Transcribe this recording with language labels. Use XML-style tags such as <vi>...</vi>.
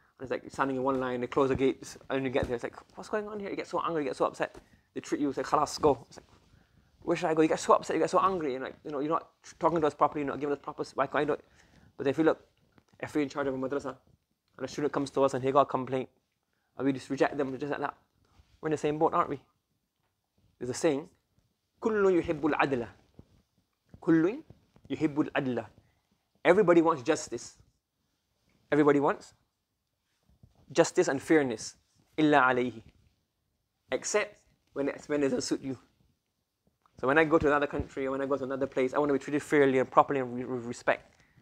<en>And it's like standing in one line, they close the gates, and you get there. It's like, what's going on here? You get so angry, you get so upset. They treat you, it's like, khalas, go. It's like, where should I go? You get so upset, you get so angry, and like, you know, you're not talking to us properly, you're not giving us proper, why can't I do it? But if you look, if we're in charge of a madrasa, and a student comes to us and he got a complaint, and we just reject them, just like that, we're in the same boat, aren't we?</en> <ar>There's a saying, كُلُّ يُحِبُّ الْعَدْلَ كُلُّ يُحِبُّ الْعَدْلَ.</ar> <en>Everybody wants justice. Everybody wants justice and fairness.</en> <ar>إِلَّا عَلَيْهِ.</ar> <en>Except when it doesn't suit you. So when I go to another country, or when I go to another place, I want to be treated fairly and properly and with respect.</en>